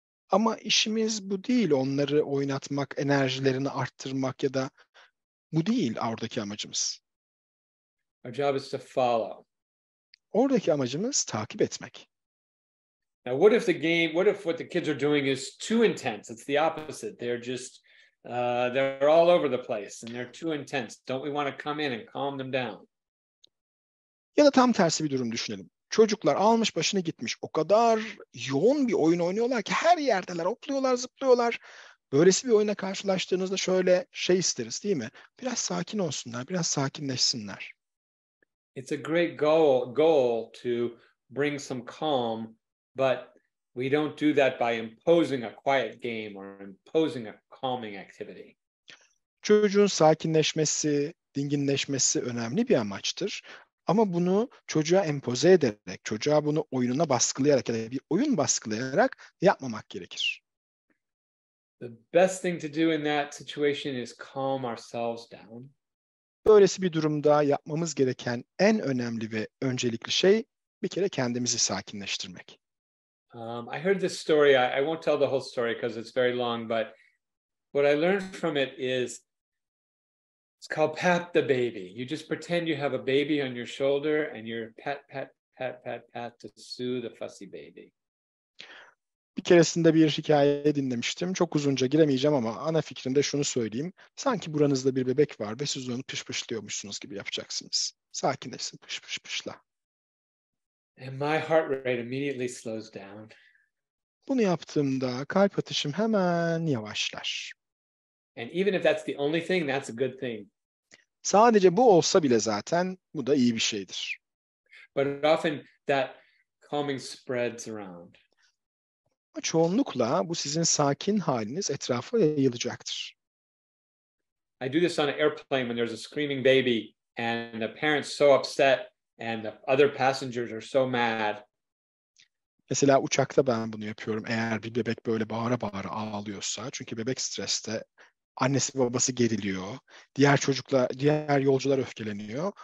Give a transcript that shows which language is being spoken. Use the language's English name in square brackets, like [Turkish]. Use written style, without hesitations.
[Turkish] Ama işimiz bu değil, onları oynatmak, enerjilerini arttırmak ya da bu değil oradaki amacımız. [English] Our job is to follow. [Turkish] Oradaki amacımız takip etmek. [English] Now what if the game, what if what the kids are doing is too intense? It's the opposite. They're just they're all over the place and they're too intense. Don't we want to come in and calm them down? [Turkish] Ya da tam tersi bir durum düşünelim. Çocuklar almış başını gitmiş. O kadar yoğun bir oyun oynuyorlar ki her yerdeler, hopluyorlar, zıplıyorlar. Böylesi bir oyuna karşılaştığınızda şöyle şey isteriz, değil mi? Biraz sakin olsunlar, biraz sakinleşsinler. [English] It's a great goal to bring some calm, but we don't do that by imposing a quiet game or imposing a calming activity. [Turkish] Çocuğun sakinleşmesi, dinginleşmesi önemli bir amaçtır. Ama bunu çocuğa empoze ederek, çocuğa bunu oyununa baskılayarak ya da bir oyun baskılayarak yapmamak gerekir. [English] The best thing to do in that situation is calm ourselves down. [Turkish] Böylesi bir durumda yapmamız gereken en önemli ve öncelikli şey bir kere kendimizi sakinleştirmek. [English] I heard this story. I won't tell the whole story because it's very long, but what I learned from it is it's called pat the baby. You just pretend you have a baby on your shoulder and you're pat, pat, pat, pat, pat to soothe the fussy baby. [Turkish] Bir keresinde bir hikaye dinlemiştim. Çok uzunca giremeyeceğim ama ana fikrinde şunu söyleyeyim. Sanki buranızda bir bebek var ve siz onu pışpışlıyormuşsunuz gibi yapacaksınız. Sakinleşsin, pışpışpışla. [English] And my heart rate immediately slows down. [Turkish] Bunu yaptığımda kalp atışım hemen yavaşlar. [English] And even if that's the only thing, that's a good thing. [Turkish] Sadece bu olsa bile zaten bu da iyi bir şeydir. [English] But often that calming spreads around. [Turkish] Ama çoğunlukla bu sizin sakin haliniz etrafa yayılacaktır. [English] I do this on an airplane when there's a screaming baby and the parents so upset and the other passengers are so mad. [Turkish] Mesela uçakta ben bunu yapıyorum. Eğer bir bebek böyle bağıra bağıra ağlıyorsa, çünkü bebek streste, annesi babası geriliyor, diğer çocuklar, diğer yolcular öfkeleniyor.